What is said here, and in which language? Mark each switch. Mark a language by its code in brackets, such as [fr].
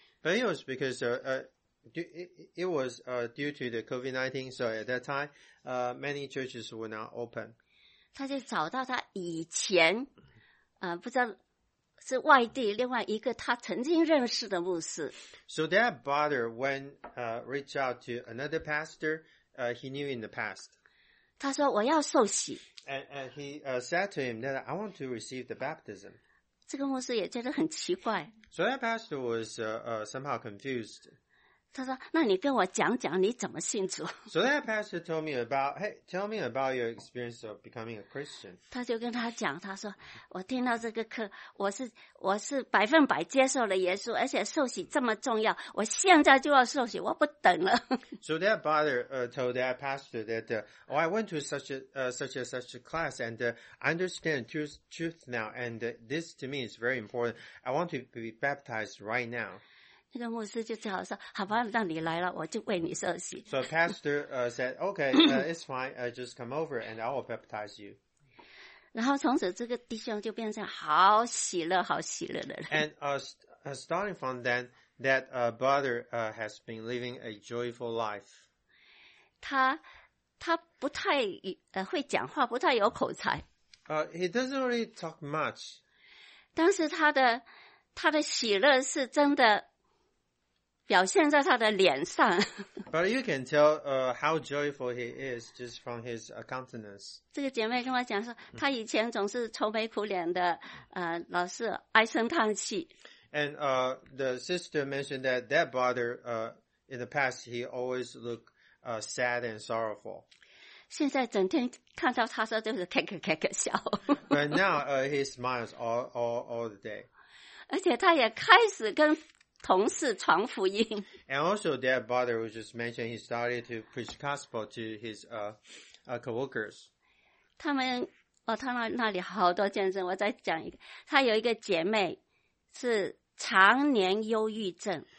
[en] But it was because due to the COVID-19, so at that time, many churches were not open. [zh] 他就找到他以前不知道是外地另外一个他曾经认识的牧师。 [en] So that brother went reach out to another pastor he knew in the past. [zh] 他说我要受洗。 [en] And he said to him that I want to receive the baptism. [zh] 这个牧师也觉得很奇怪。 [en] So that pastor was somehow confused. [zh] 他说那你跟我讲讲你怎么信主。 [en] So that pastor told me about, hey, tell me about your experience of becoming a Christian. [zh] 他就跟他讲，他说我听到这个课，我是百分百接受了耶稣，而且受洗这么重要，我现在就要受洗，我不等了。 [en] So that brother told that pastor that, oh, I went to such a class and I understand truth now and this to me is very important. I want to be baptized right now. [zh] 那个牧师就只好说：“好吧，让你来了，我就为你受洗。” [en] So pastor said, "Okay, it's fine. Just come over, and I will baptize you." [zh] 然后从此这个弟兄就变成好喜乐、好喜乐的人。 [en] And starting from then, that brother has been living a joyful life. [zh] 他不太会讲话，不太有口才。 [en] He doesn't really talk much. [zh] 但是他的喜乐是真的。表现在他的脸上。 [en] But you can tell, how joyful he is just from his countenance. [zh] 这个姐妹跟我讲说，她以前总是愁眉苦脸的，老是唉声叹气。 [en] And the sister mentioned that brother, in the past he always looked, sad and sorrowful. [zh] 现在整天看到他说就是开个开个笑。 [en] But now, he smiles all the day. [zh] 而且他也开始跟。同事传福音。 [en] And also their brother was just mentioned he started to preach gospel to his coworkers. [zh] 他们哦，他们那里好多见证。我再讲一个，他有一个姐妹是常年忧郁症。